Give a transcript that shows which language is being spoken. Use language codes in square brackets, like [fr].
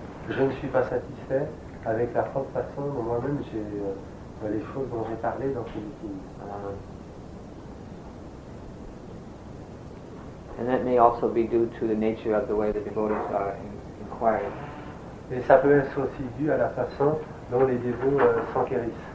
[fr] Je ne suis pas satisfait avec la propre façon dont moi-même j'ai les choses dont j'ai parlé dans ces meetings. [en] And that may also be due to the nature of the way the devotees are inquiring. [fr] Et ça peut être aussi dû à la façon dont les dévots s'enquérissent.